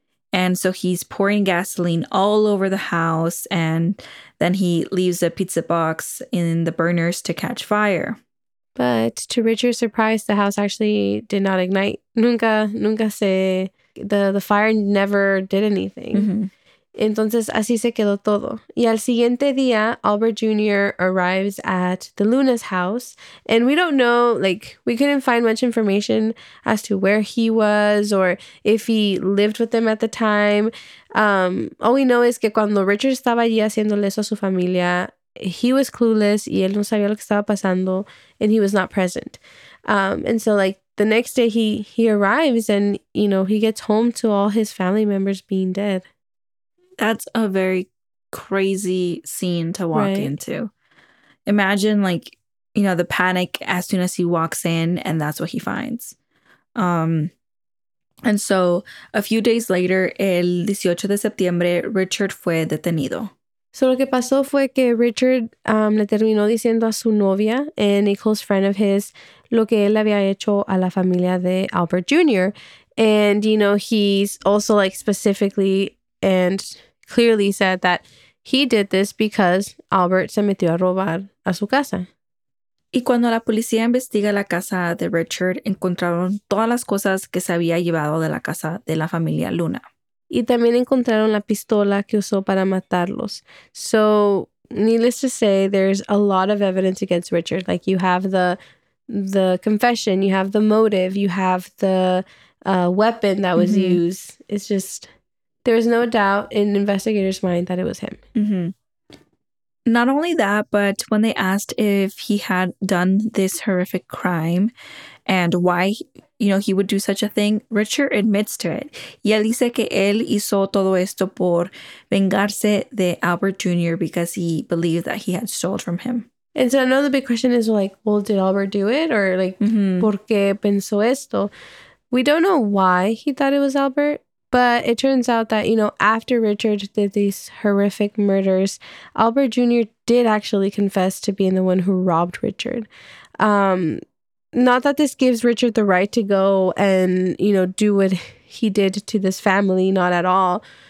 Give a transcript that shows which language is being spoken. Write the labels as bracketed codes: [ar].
[en] And so he's pouring gasoline all over the house. And then he leaves a pizza box in the burners to catch fire. But to Richard's surprise, the house actually did not ignite. [es] Nunca se... [en] The fire never did anything. [es] Entonces, así se quedó todo. Y al siguiente día, Albert Jr. [en] arrives at the Luna's house. And we don't know, like, we couldn't find much information as to where he was or if he lived with them at the time. All we know is [es] que cuando Richard estaba allí haciéndole eso a su familia, [en] he was clueless [es] y él no sabía lo que estaba pasando [en] and he was not present. And so, like, the next day he arrives and, you know, he gets home to all his family members being dead. That's a very crazy scene to walk into. Imagine, like, you know, the panic as soon as he walks in and that's what he finds. And so a few days later, [es] el 18 de septiembre, Richard fue detenido. [en] So [es] lo que pasó fue que Richard le terminó diciendo a su novia [en] and a close friend of his [es] lo que él había hecho a la familia de Albert Jr. [en] And, you know, he's also, like, specifically and clearly said that he did this because Albert [es] se metió a robar a su casa. Y cuando la policía investiga la casa de Richard, encontraron todas las cosas que se había llevado de la casa de la familia Luna. Y también encontraron la pistola que usó para matarlos. [en] So, needless to say, there's a lot of evidence against Richard. Like, you have the confession, you have the motive, you have the weapon that was used. It's just, there was no doubt in investigators' mind that it was him. Mm-hmm. Not only that, but when they asked if he had done this horrific crime and why, you know, he would do such a thing, Richard admits to it. [es] Y él dice que él hizo todo esto por vengarse de Albert Jr. [en] because he believed that he had stolen from him. And so another big question is, like, well, did Albert do it? Or, like, [es] ¿por qué pensó esto? [en] We don't know why he thought it was Albert, but it turns out that, you know, after Richard did these horrific murders, Albert Jr. did actually confess to being the one who robbed Richard. Not that this gives Richard the right to go and, you know, do what he did to this family, not at all.